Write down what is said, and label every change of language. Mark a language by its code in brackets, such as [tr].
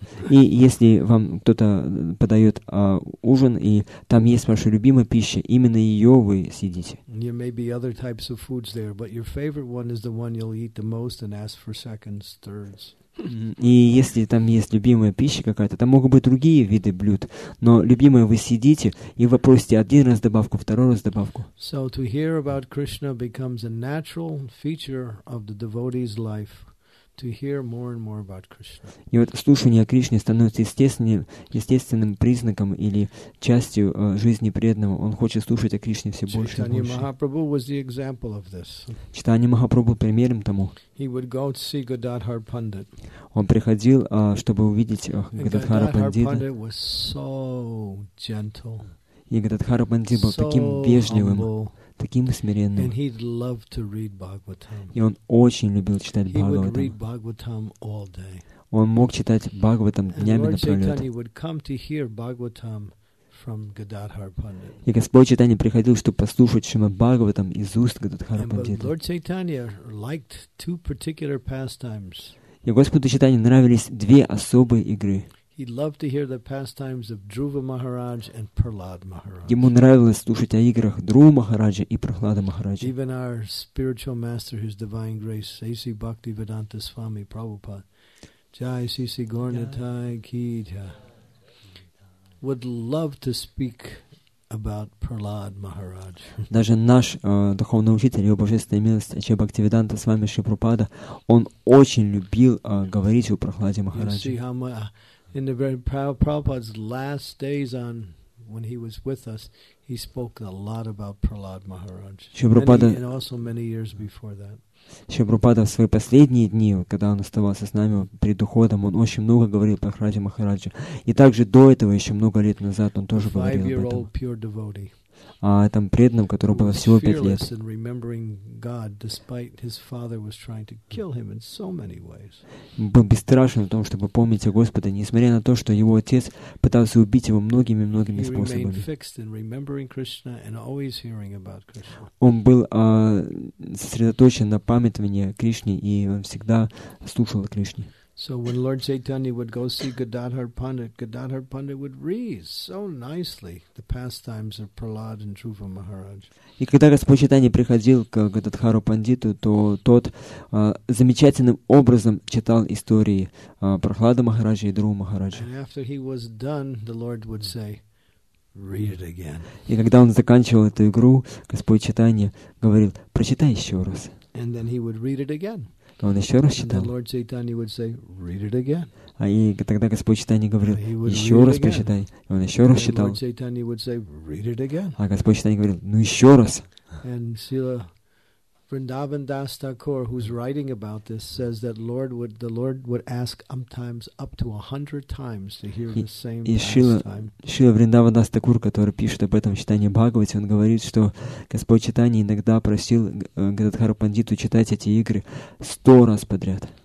[ru] И если вам кто-то подает ужин, и там есть ваша любимая пища, именно ее вы съедите. [en] There may be other types of foods there, but your favorite one is the one you'll eat the most and ask for seconds, thirds. [ru] И если там есть любимая пища какая-то, там могут быть другие виды блюд, но любимое вы съедите, и вы просите один раз добавку, второй раз добавку. [en] So to hear about Krishna becomes a natural feature of the devotee's life, to hear more and more about Krishna. [ru] И вот слушание о Кришне становится естественным признаком или частью жизни преданного. Он хочет слушать о Кришне все больше и больше. [en] Chaitanya Mahaprabhu was the example of this. [ru] Chaitanya Mahaprabhu примером тому. [en] He would go to see Gadadhar Pandit. [ru] Он приходил, чтобы увидеть Гададхара Пандита. [en] Gadadhar Pandit was so gentle. [ru] И Гададхара Пандит был таким вежливым. Таким смиренным. [en] And he'd love to read Bhagavatam. [ru] И он очень любил читать Бхагаватам. [en] He would read Bhagavatam all day. [ru] Он мог читать Бхагаватам днями напролет. [en] Chaitanya would come to hear Bhagavatam from Gadadhar Pandit. [ru] И Господь Чайтанья приходил, чтобы послушать Шримад Бхагаватам из уст Гададхара [en] Пандита. And Lord Chaitanya liked two particular pastimes. [ru] И Господу Чайтанье нравились две особые игры. [en] He loved to hear the pastimes of Dhruva Maharaj and Prahlad Maharaj. [ru] Ему нравилось слушать о играх Друва Махараджа и Прахлада Махараджа. [en] Even our spiritual master, His Divine Grace, A.C. Bhaktivedanta Swami Prabhupada, Jai C.C. Gornatai Kita, would love to speak about Prahlad Maharaj. [ru] Даже наш духовный учитель, его божественная милость, Ача Бхактивиданта Свами Шри Прабхупада, он очень любил говорить о Прахладе Махараджи. [en] In the very Prabhupada's last days on when he was with us, he spoke a lot about Prahlad Maharaj. And also many years before that. [ru] Шри Прабхупада в свои последние дни, когда он оставался с нами перед уходом, он очень много говорил про Прахлада Махараджа. И также до этого, еще много лет назад, он тоже говорил об этом. [en] Pure devotee. [ru] О этом преданном, которому было всего 5 лет. [en] And remembering God, despite his father was trying to kill him in so many ways. [ru] Был бесстрашен в том, чтобы помнить о Господе, несмотря на то, что его отец пытался убить его многими способами. [en] He remained fixed in remembering Krishna and always hearing about Krishna. [ru] Он был сосредоточен на памятовании Кришне, и он всегда слушал о Кришне. [en] So when Lord Chaitanya would go see Gadadhar Pandit would read so nicely the pastimes of Prahlad and Dhruva Maharaj. [ru] И когда Господь Чайтанья приходил к Гададхару Пандиту, то тот замечательным образом читал истории Прахлада Махараджа и Друва Махараджа. [en] And after he was done, the Lord would say, "Read it again." [ru] И когда он заканчивал эту игру, Господь Чайтанья говорил: "Прочитай еще раз." [en] And then he would read it again. [ru] Он еще раз читал. [en] And Lord Chaitanya would say, "Read it again." [ru] А и тогда Господь Чайтанья говорил: "Еще раз прочитай." И он еще раз читал. [en] Lord Chaitanya would say, "Read it again." [ru] А Господь Чайтанья говорил: "Ну еще раз." [en] And Srila Vrindavan Das Thakur, who's writing about this, says that the Lord would ask sometimes up to 100 times to hear the same pastime. [ru] Шрила Вриндаван Дас Такур, который пишет об этом читании Бхагавати, он говорит, что Господь Чайтанья иногда просил Гададхару Пандиту читать эти игры 100 раз подряд.